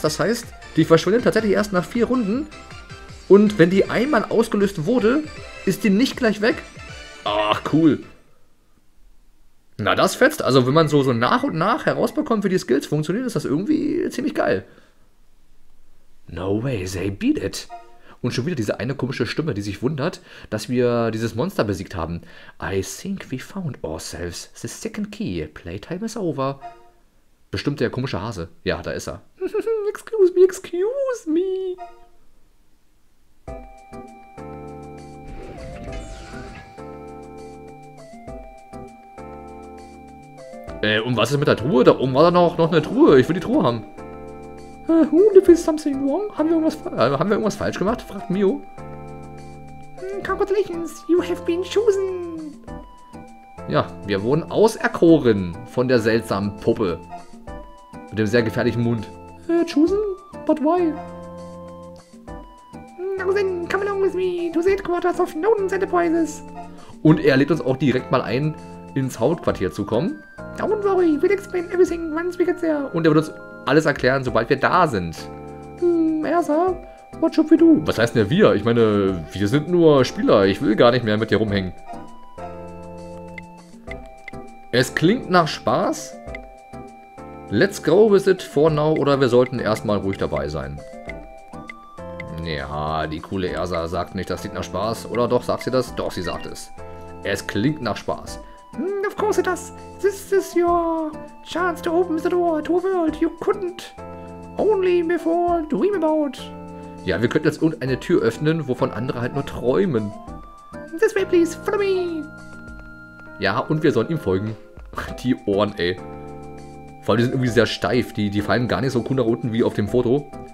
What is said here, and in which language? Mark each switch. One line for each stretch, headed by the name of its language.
German: Das heißt, die verschwindet tatsächlich erst nach 4 Runden. Und wenn die einmal ausgelöst wurde, ist die nicht gleich weg. Ach, cool. Na, das fetzt. Also, wenn man so nach und nach herausbekommt, wie die Skills funktionieren, ist das irgendwie ziemlich geil.
English: No way, they beat it.
German: Und schon wieder diese eine komische Stimme, die sich wundert, dass wir dieses Monster besiegt haben.
English: I think we found ourselves. The second key. Playtime is over.
German: Bestimmt der komische Hase. Ja, da ist er.
English: Excuse me, excuse me.
German: Und was ist mit der Truhe? Da oben war da noch eine Truhe. Ich will die Truhe haben.
English: If it's something wrong?
German: Haben wir irgendwas falsch gemacht? Fragt Mio.
English: Congratulations, you have been chosen.
German: Ja, wir wurden auserkoren von der seltsamen Puppe. Mit dem sehr gefährlichen Mund.
English: Chosen? But why? Now then, come along with me to the headquarters of Noden's Enterprises.
German: Und er lädt uns auch direkt mal ein, ins Hauptquartier zu kommen.
English: Don't worry, we'll explain everything once we get there.
German: Und er wird uns alles erklären, sobald wir da sind.
English: Ersa, what should we do?
German: Was heißt denn wir? Ich meine, wir sind nur Spieler. Ich will gar nicht mehr mit dir rumhängen. Es klingt nach Spaß.
English: Let's go with it for now.
German: Oder wir sollten erstmal ruhig dabei sein. Ja, die coole Ersa sagt nicht, das klingt nach Spaß. Oder doch, sagt sie das? Doch, sie sagt es. Es klingt nach Spaß.
English: Of course it does. This is your chance to open the door to a world you couldn't only before dream about.
German: Ja, wir könnten jetzt irgendeine Tür öffnen, wovon andere halt nur träumen.
English: This way, please. Follow me.
German: Ja, und wir sollen ihm folgen. Die Ohren, ey. Vor allem, die sind irgendwie sehr steif. Die fallen gar nicht so cool nach unten wie auf dem Foto.